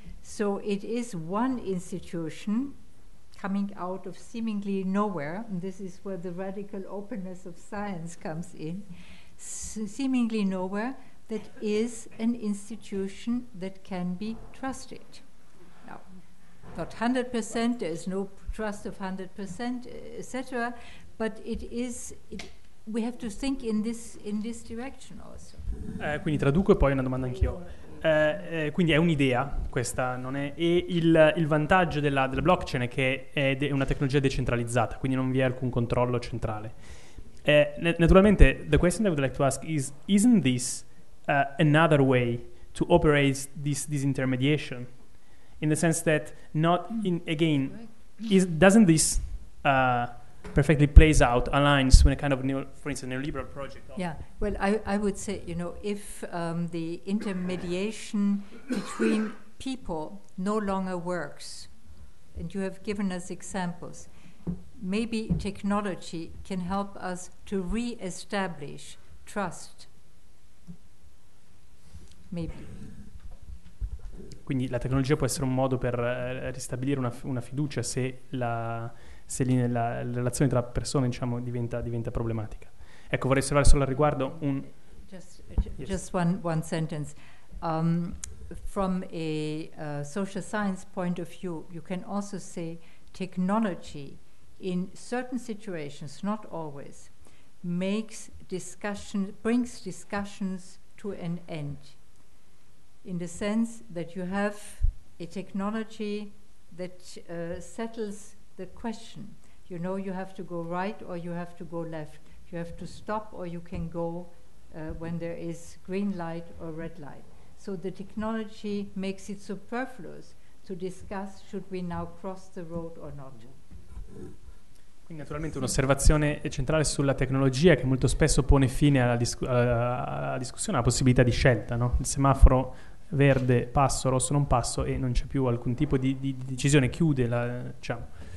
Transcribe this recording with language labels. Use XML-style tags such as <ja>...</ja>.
<en>So it is one institution coming out of seemingly nowhere, and this is where the radical openness of science comes in, seemingly nowhere, that is an institution that can be trusted. Now, not 100%, there is no trust of 100%, etc., but we have to think in this direction also.</en> <it>Quindi traduco e poi una domanda anch'io. Quindi è un'idea, questa non è, e il vantaggio della blockchain è che è una tecnologia decentralizzata, quindi non vi è alcun controllo centrale. Naturalmente,</it> <en>the question I would like to ask is, isn't this another way to operate this intermediation? In the sense that, doesn't this perfectly plays out, aligns with a kind of, neoliberal project? Yeah, well, I would say, if the intermediation between people no longer works, and you have given us examples, maybe technology can help us to re-establish trust. Maybe.</en> <it>Quindi la tecnologia può essere un modo per ristabilire una fiducia se la relazione tra persone, diciamo, diventa problematica. Ecco, vorrei osservare solo al riguardo un...</it> <en>Just one sentence. From a social science point of view, you can also say technology in certain situations, not always, brings discussions to an end. In the sense that you have a technology that settles the question. You know you have to go right or you have to go left. You have to stop or you can go when there is green light or red light. So the technology makes it superfluous to discuss should we now cross the road or not.</en> <it>Quindi naturalmente un'osservazione centrale sulla tecnologia che molto spesso pone fine alla discussione, alla possibilità di scelta, no? Il semaforo verde, passo, rosso, non passo, e non c'è più alcun tipo di decisione, chiude la, diciamo.</it>